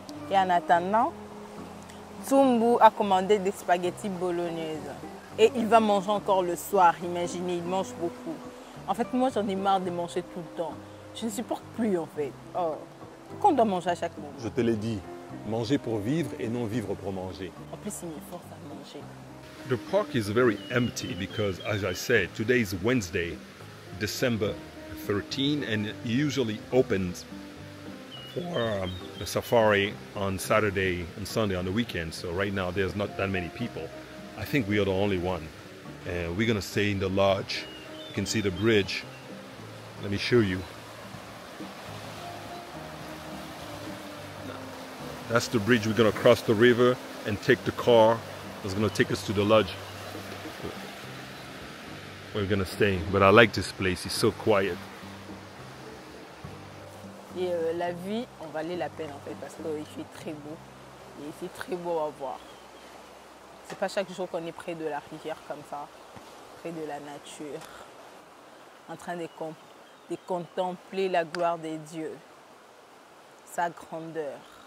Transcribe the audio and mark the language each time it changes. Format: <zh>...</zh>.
<fr>Et en attendant, Tsumbu a commandé des spaghettis bolognaises. Et il va manger encore le soir, imaginez, il mange beaucoup. En fait, moi, j'en ai marre de manger tout le temps. Je ne supporte plus, en fait. Oh. Qu'on doit manger à chaque moment. Je te l'ai dit, manger pour vivre et non vivre pour manger. En plus, il me force à manger.</fr> <en>The park is very empty because, as I said, today is Wednesday. December 13 and it usually opens for a safari on Saturday and Sunday on the weekend. So right now there's not that many people. I think we are the only one. And we're gonna stay in the lodge. You can see the bridge. Let me show you. That's the bridge we're gonna cross the river and take the car. It's gonna take us to the lodge. We're gonna stay, but I like this place, it's so quiet.</en> <fr>Et la vue, on valait la peine en fait, parce qu'il fait très beau. Et c'est très beau à voir. C'est pas chaque jour qu'on est près de la rivière comme ça, près de la nature, en train de contempler la gloire des dieux, sa grandeur.</fr>